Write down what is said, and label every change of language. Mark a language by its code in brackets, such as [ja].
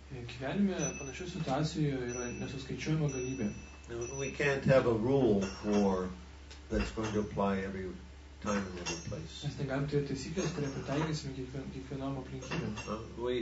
[lt] Gyvenime panašių situacijų yra nesuskaičiuojama galybė. [en] We can't have a rule for that's going to apply every time and every place. [lt] Mes negalime turėti taisyklės, kurie pritaikysime kiekvienam aplinkybėm.